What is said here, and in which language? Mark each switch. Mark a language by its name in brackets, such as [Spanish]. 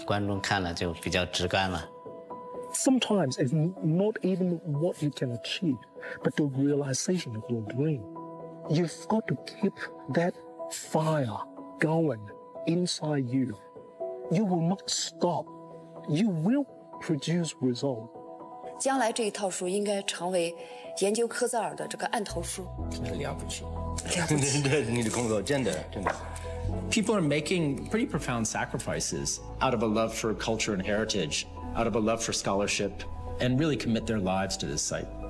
[Chinese] 这就是做就完的效果。墙上的划痕也有透着底下的泥皮色啊，观众看了就比较直观了。 [English] Sometimes it's not even what you can achieve, but the realization of your dream. You've got to keep that fire going inside you. You will not stop. You will produce result. [Chinese] 将来这一套书应该成为研究科泽尔的这个案头书。真的了不起。了不起。你的工作真的。 [English] People are making pretty profound sacrifices out of a love for culture and heritage, out of a love for scholarship, and really commit their lives to this site.